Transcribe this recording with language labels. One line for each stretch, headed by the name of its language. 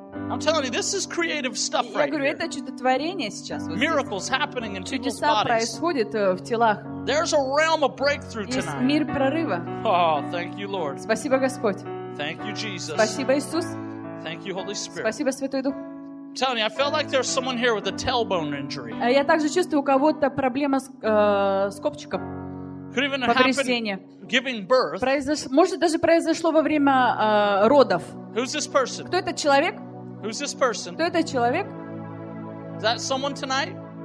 English: I'm telling you, this is creative stuff right here.
Russian: Я говорю, это чудотворение сейчас.
English: Miracles happening in people's bodies.
Russian: Чудеса происходят в телах.
English: There's a realm of breakthrough tonight.
Russian: Есть мир прорыва.
English: Oh, thank you, Lord.
Russian: Спасибо, Господь.
English: Thank you, Jesus.
Russian: Спасибо, Иисус.
English: Thank you, Holy Spirit.
Russian: Спасибо, Святой Дух.
English: I'm telling you, I felt like there's someone here with a tailbone injury.
Russian: Я также чувствую, у кого-то проблема с копчиком.
English: Could even happen giving birth.
Russian: Может, даже произошло во время родов.
English: Who's this person?
Russian: Кто этот человек?
English: Who's this person?
Russian: Кто этот человек?
English: Is that someone tonight?